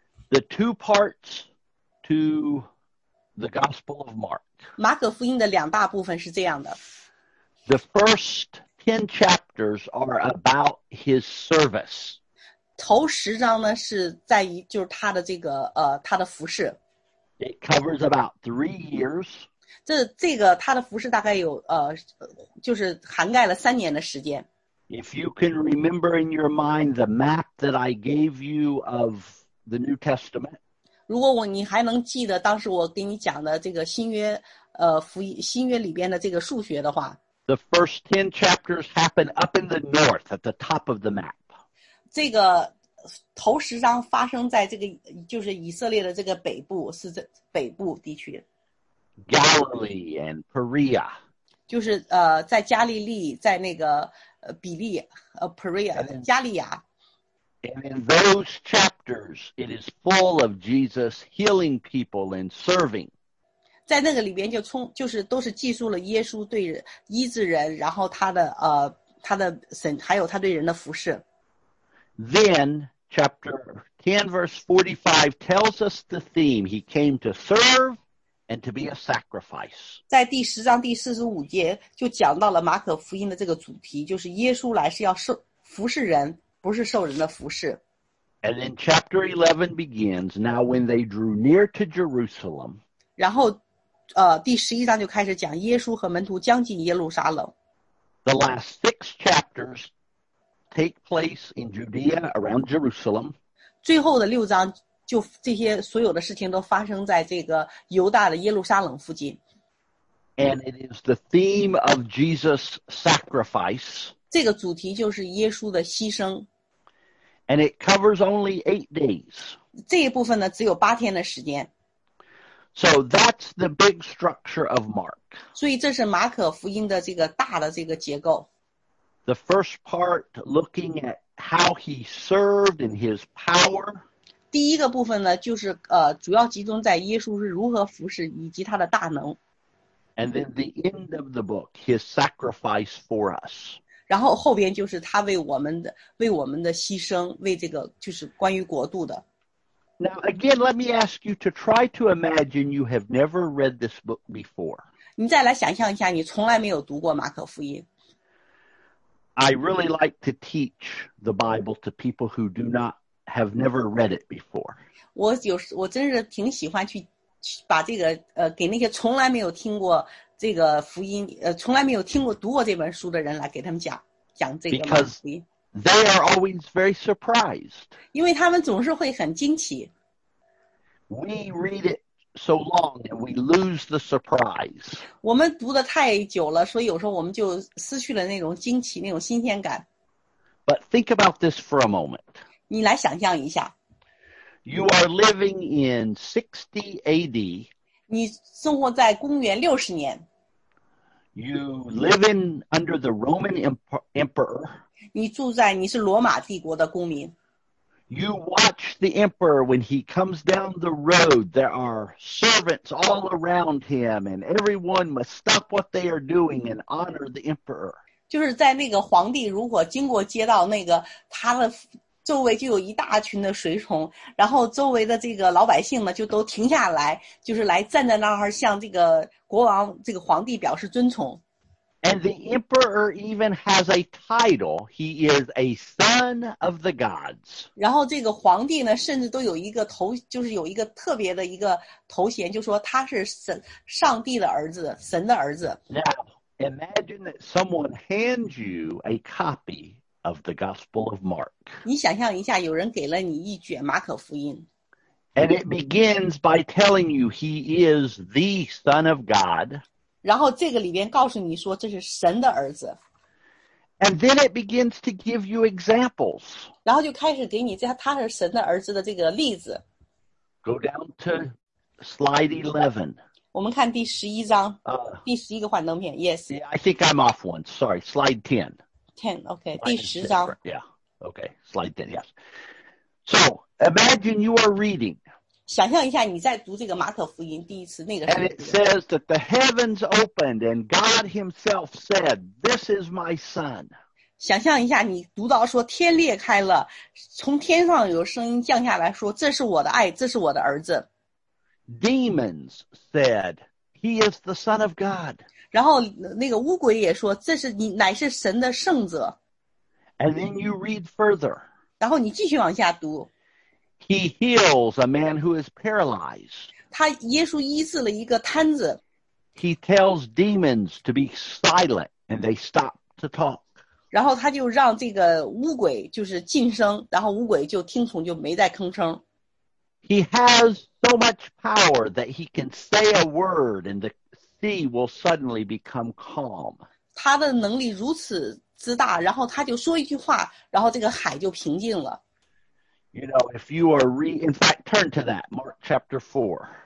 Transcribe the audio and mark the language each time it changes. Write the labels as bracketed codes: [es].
[en] The two parts to the Gospel of Mark. [zh] 马可福音的两大部分是这样的。 [en] The first 10 chapters are about his service. [zh] 头十章呢是在于就是他的这个他的服侍。 [en] It covers about 3 years. [zh] 这个他的服侍大概有就是涵盖了三年的时间。 [en] If you can remember in your mind the map that I gave you of the New Testament. [zh] 如果你还能记得当时我给你讲的这个新约里边的这个数学的话。 [en] The first 10 chapters happen up in the north at the top of the map. [zh] 这个头十章发生在这个就是以色列的这个北部，是这北部地区。 [en] Galilee and Perea. [zh] 就是在加利利，在那个比利Perea, 加利亚。 [en] And in those chapters, it is full of Jesus healing people and serving. [zh] 在那个里边就是都是记述了耶稣对医治人，然后他的神，还有他对人的服侍。 [en] Then, chapter 10, verse 45 tells us the theme. He came to serve and to be a sacrifice. [zh] 在第十章第四十五节就讲到了马可福音的这个主题，就是耶稣来是要服侍人，不是受人的服侍。 [en] And then chapter 11 begins, now when they drew near to Jerusalem. [zh] 然后第十一章就开始讲耶稣和门徒将近耶路撒冷。 [en] The last 6 chapters take place in Judea around Jerusalem. [zh] 最后的六章就这些所有的事情都发生在这个犹大的耶路撒冷附近。 [en] And it is the theme of Jesus' sacrifice. [zh] 这个主题就是耶稣的牺牲。 [en] And it covers only 8 days. [zh] 这一部分呢，只有八天的时间。 [en] So that's the big structure of Mark. [zh] 所以这是马可福音的这个大的这个结构。 [en] The first part looking at how he served and his power. [zh] 第一个部分呢，就是主要集中在耶稣是如何服侍以及他的大能。 [en] And then the end of the book, his sacrifice for us. [zh] 然后后边就是他为我们的牺牲，为这个就是关于国度的。 [en] Now again, let me ask you to try to imagine you have never read this book before. [zh] 你再来想象一下，你从来没有读过马可福音。 [en] I really like to teach the Bible to people who do not have never read it before. [zh] 我真是挺喜欢去把这个给那些从来没有听过这个福音从来没有听过读过这本书的人来给他们讲这个福音。 [en] Because they are always very surprised. [zh] 因为他们总是会很惊奇。 [en] We read it so long and we lose the surprise. [zh] 我们读的太久了，所以有时候我们就失去了那种惊奇，那种新鲜感。 [en] But think about this for a moment. [zh] 你来想象一下。 [en] You are living in 60 AD. [zh] 你生活在公元六十年。 [en] You live in under the Roman Emperor. [zh] 你是罗马帝国的公民。 [en] You watch the emperor when he comes down the road. There are servants all around him, and everyone must stop what they are doing and honor the emperor. [zh] 就是在那个皇帝如果经过街道，那个他的周围就有一大群的随从，然后周围的这个老百姓呢就都停下来，就是来站在那儿向这个国王、这个皇帝表示尊崇。 [en] And the emperor even has a title. He is a son of the gods. [zh] 然后这个皇帝呢，甚至都有一个头，就是有一个特别的一个头衔，就说他是神、上帝的儿子、神的儿子。 [en] Now, imagine that someone hands you a copy of the Gospel of Mark. [zh] 你想象一下，有人给了你一卷马可福音。 [en] And it begins by telling you he is the son of God. [zh] 然后这个里边告诉你说这是神的儿子。 [en] And then it begins to give you examples. [zh] 然后就开始给你这他是神的儿子的这个例子。 [en] Go down to slide 11. [zh] 我们看第十一章，第十一个幻灯片。 [en] Yes. Yeah, I think I'm off one. Sorry, slide 10. 10, okay, [zh] 第十章。 [en] Yeah, okay, slide 10, yes. So, imagine you are reading. [zh] 想象一下你在读这个马可福音第一次那个。 [en] And it says that the heavens opened and God himself said, this is my son. [zh] 想象一下你读到说天裂开了，从天上有声音降下来说这是我的爱，这是我的儿子。 [en] Demons said, he is the son of God. [zh] 然后那个巫鬼也说这是你乃是神的圣者。 [en] And then you read further. [zh] 然后你继续往下读。 [en] He heals a man who is paralyzed. [zh] 他耶稣医治了一个瘫子。 [en] He tells demons to be silent and they stop to talk. [zh] 然后他就让这个巫鬼就是静声，然后巫鬼就听从就没再吭声。 [en] He has so much power that he can say a word and the sea will suddenly become calm. [zh] 他的能力如此之大，然后他就说一句话，然后这个海就平静了。 [en] You know, if you are in fact, turn to that, Mark chapter 4.